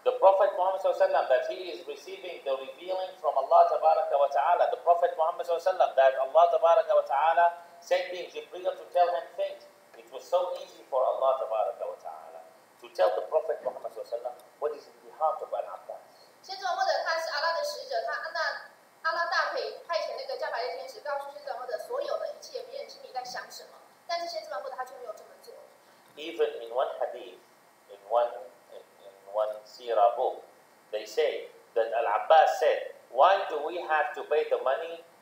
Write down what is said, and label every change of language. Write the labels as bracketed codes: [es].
[en] The Prophet Muhammad Sallallahu Alaihi Wasallam, that he is receiving the revealing from Allah Tabaraka wa Taala. The Prophet Muhammad Sallallahu Alaihi Wasallam, that Allah Tabaraka wa Taala sent him Jibril to tell him things. It was so easy for Allah Tabaraka wa Taala to tell the Prophet Muhammad Sallallahu Alaihi Wasallam what is in the heart of Al-Abbas. [zh] 先知穆罕默德他是阿拉的使者，他那阿拉大可以派遣那个加百列天使告诉先知穆罕默德所有的一切，别人心里在想什么。但是先知穆罕默德他却没有这么做。 [en] Even in one hadith, in one seerah book, they say that Al-Abbas said, "Why do we have to pay the money?